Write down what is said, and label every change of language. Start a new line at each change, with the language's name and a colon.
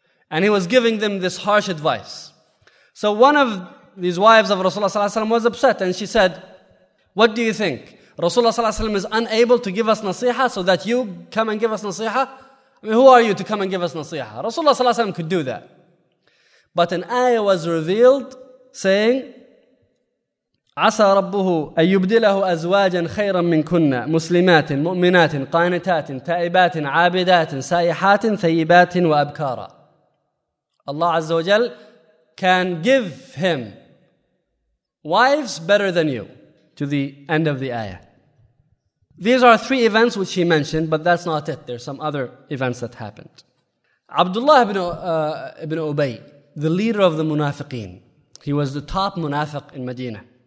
English: And he was giving them this harsh advice. So one of these wives of Rasulullah صلى الله عليه وسلم was upset and she said, what do you think? Rasulullah صلى الله عليه وسلم is unable to give us nasiha so that you come and give us nasiha? I mean, who are you to come and give us nasiha? Rasulullah صلى الله عليه وسلم could do that. But an ayah was revealed saying,
Arabic: عسى ربه أن يبدله أزواجا خيرا من كنا مسلمات مؤمنات قانتات تائبات عابدات سائحات ثيبات وأبكارا.
English: Allah عز وجل can give him wives better than you, to the end of the ayah. These are three events which he mentioned, but that's not it. There are some other events that happened. Abdullah ibn Ubay, the leader of the munafiqeen, he was the top munafiq in Medina.